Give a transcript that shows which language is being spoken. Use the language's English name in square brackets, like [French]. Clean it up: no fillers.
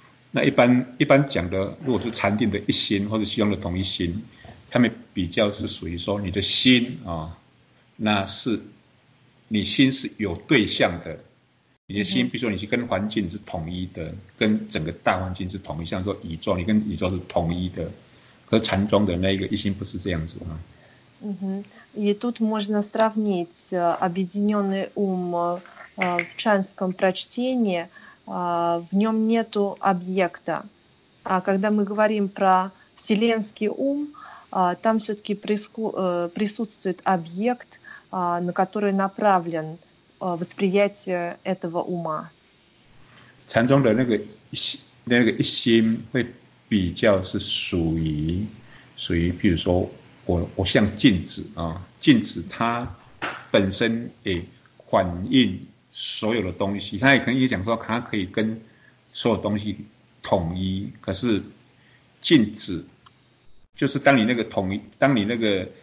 [Chinese] 那一般讲的，如果是禅定的一心或者西方的同一心，他们比较是属于说你的心啊，那是你心是有对象的，你的心，比如说你是跟环境是统一的，跟整个大环境是统一，像说宇宙，你跟宇宙是统一的，和禅宗的那个一心不是这样子啊。 [Russian] И тут можно сравнить объединенный ум в чанском прочтении, в нем нету объекта. А когда мы говорим про вселенский ум, там все-таки присутствует объект, на который направлен восприятие этого ума. [Chinese] 禅宗的那个一心会比较是属于，比如说我像镜子啊，镜子它本身也反映所有的东西，它也可以讲说它可以跟所有东西统一。可是镜子就是当你那个统一，当你那个